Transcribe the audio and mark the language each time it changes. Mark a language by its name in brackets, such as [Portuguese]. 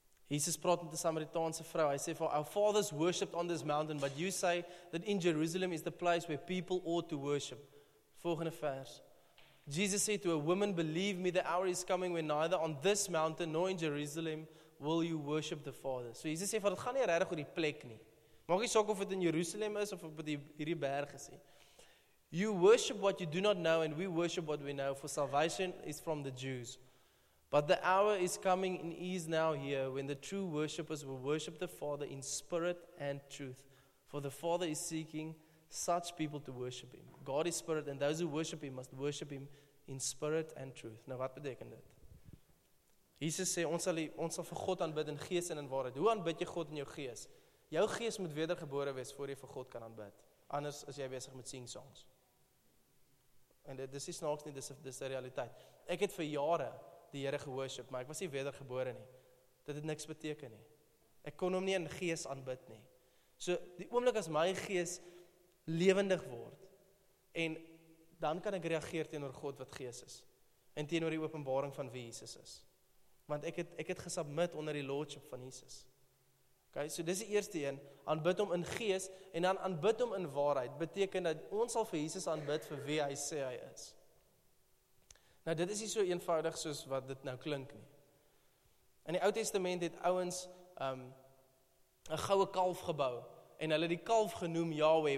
[Afrikaans] Jesus praat met die Samaritaanse vrou, hy sê, [English] for our fathers worshipped on this mountain, but you say that in Jerusalem is the place where people ought to worship. [Afrikaans] Volgende vers. [English] Jesus said to a woman, believe me, the hour is coming when neither on this mountain nor in Jerusalem will you worship the Father. [Afrikaans] So Jesus sê, for dit gaan nie regtig oor die plek nie. Maak nie saak of dit in Jerusalem is of op hierdie berg is nie. [English] You worship what you do not know and we worship what we know, for salvation is from the Jews. But the hour is coming and is now here when the true worshippers will worship the Father in spirit and truth. For the Father is seeking such people to worship Him. God is spirit and those who worship Him must worship Him in spirit and truth. [Afrikaans] Nou wat beteken dit? Jesus sê, ons sal vir God aanbid in gees en in waarheid. Hoe aanbid jy God in jou gees? Jou gees moet wedergebore wees voor jy vir God kan aanbid. Anders is jy besig met [English] sing songs. [Afrikaans] En dit is nog nie, dis die realiteit. Ek het vir jare die Here gehoorship, maar ek was nie wedergebore nie. Dit het niks beteken nie. Ek kon hom nie in gees aanbid nie. So die oomblik as my gees lewendig word, en dan kan ek reageer teenoor God wat gees is, en teenoor die openbaring van wie Jesus is. Want ek het gesubmit onder die lordship van Jesus. Okay, so dis die eerste een, aanbid hom in gees, en dan aanbid hom in waarheid, beteken dat ons sal vir Jesus aanbid vir wie hy sê hy is. Nou dit is nie so eenvoudig soos wat dit nou klink nie. In die Ou Testament het ouens 'n goue kalf gebou, en hulle die kalf genoem Yahweh.